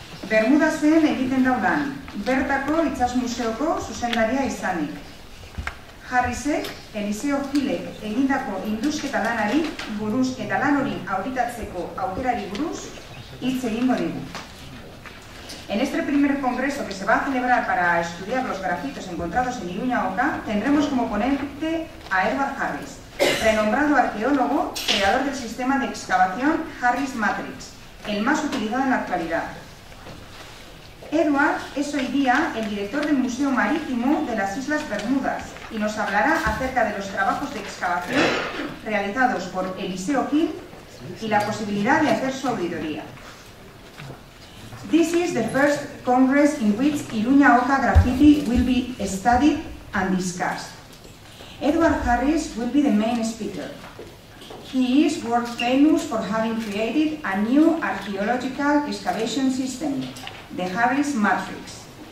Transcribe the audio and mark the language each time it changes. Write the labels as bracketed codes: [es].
[eu] Bermudazen egiten daudan, bertako itsas museoko zuzendaria izanik. Harrisek, Eliseo Filek egindako indusketa lanari buruz eta lan hori auditatzeko aukerari buruz hitz egingo dugu. [es] En este primer congreso que se va a celebrar para estudiar los grafitos encontrados en Iruña Oca, tendremos como ponente a Edward Harris, renombrado arqueólogo, creador del sistema de excavación Harris Matrix, el más utilizado en la actualidad. Edward es hoy día el director del Museo Marítimo de las Islas Bermudas y nos hablará acerca de los trabajos de excavación realizados por Eliseo Gil y la posibilidad de hacer su auditoría. [en] This is the first congress in which Iruña Oca graffiti will be studied and discussed. Edward Harris will be the main speaker. He is world famous for having created a new archaeological excavation system, the Harris Matrix.